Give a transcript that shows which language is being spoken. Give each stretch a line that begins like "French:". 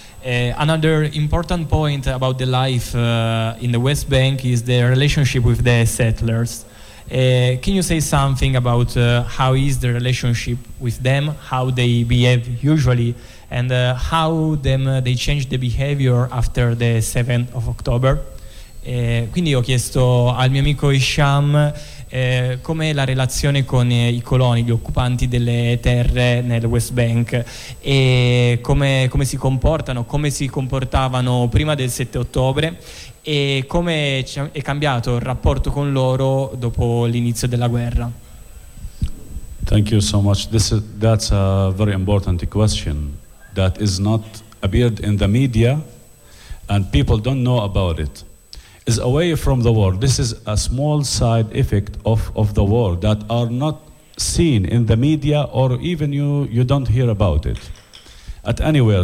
English: Another important point about the life in the West Bank is the relationship with the settlers. Can you say something about how is the relationship with them, how they behave usually, and how them they change the behavior after the 7th of October?
Italian: Quindi ho chiesto al mio amico Hisham com'è la relazione con i coloni, gli occupanti delle terre nel West Bank, e come si comportano, come si comportavano prima del 7 ottobre e come è cambiato il rapporto con loro dopo l'inizio della guerra.
English: Thank you so much. That's a very important question that is not appeared in the media and people don't know about it. Is away from the war. This is a small side effect of the war that are not seen in the media, or even you don't hear about it at anywhere.